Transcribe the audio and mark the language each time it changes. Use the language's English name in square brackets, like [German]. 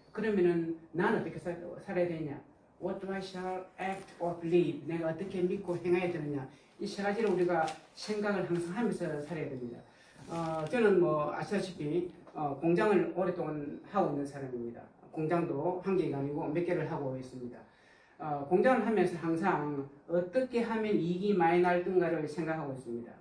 [Korean] 그러면은 나는 어떻게 살아야 되냐? [English] What do I shall act or believe? [Korean] 내가 어떻게 믿고 행해야 되느냐? 이 세 가지를 우리가 생각을 항상 하면서 살아야 됩니다. 저는 뭐 아시다시피 공장을 오랫동안 하고 있는 사람입니다. 공장도 한 개가 아니고 몇 개를 하고 있습니다. 공장을 하면서 항상 어떻게 하면 이익이 많이 날든가를 생각하고 있습니다.